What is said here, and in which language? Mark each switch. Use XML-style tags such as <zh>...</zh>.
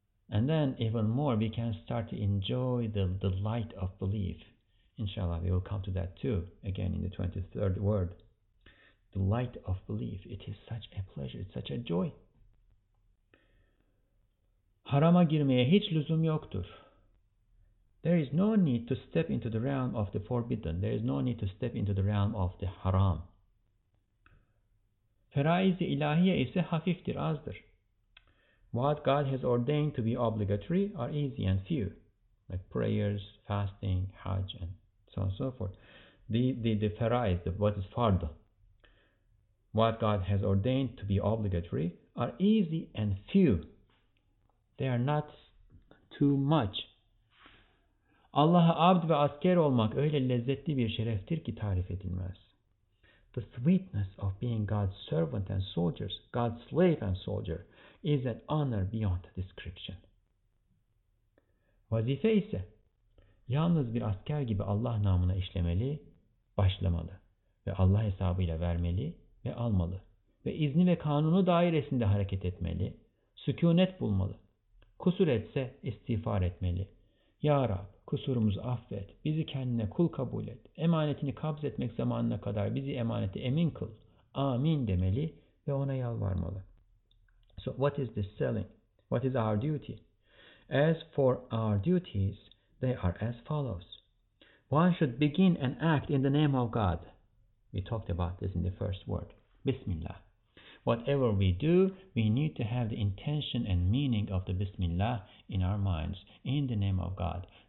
<en>And then even more, we can start to enjoy the light of belief. Inshallah, we will come to that too, again in the 23rd word. The light of belief, it is such a pleasure, it's such a joy.</en> <tr>Harama girmeye hiç lüzum yoktur.</tr> <en>There is no need to step into the realm of the forbidden. There is no need to step into the realm of the haram.</en> <tr>Feraiz-i ilahiye ise hafiftir, azdır.</tr> <en>What God has ordained to be obligatory are easy and few, like prayers, fasting, hajj, and so on and so forth. The feraiz, what is fard, what God has ordained to be obligatory are easy and few. They are not too much.</en> <tr>Allah'a abd ve asker olmak öyle lezzetli bir şereftir ki tarif edilmez.</tr> <en>The sweetness of being God's servant and soldiers, God's slave and soldier, is an honor beyond description.</en> <tr>Vazife ise, yalnız bir asker gibi Allah namına işlemeli, başlamalı ve Allah hesabıyla vermeli ve almalı ve izni ve kanunu dairesinde hareket etmeli, sükunet bulmalı. Kusur etse istiğfar etmeli. Ya Rab, kusurumuzu affet, bizi kendine kul kabul et, emanetini kabzetmek zamanına kadar bizi emaneti emin kıl, amin demeli ve ona yalvarmalı.</tr> <en>So what is this selling? What is our duty? As for our duties, they are as follows. One should begin an act in the name of God. We talked about this in the first word. Bismillah. Whatever we do, we need to have the intention and meaning of the Bismillah in our minds, in the name of God.</en>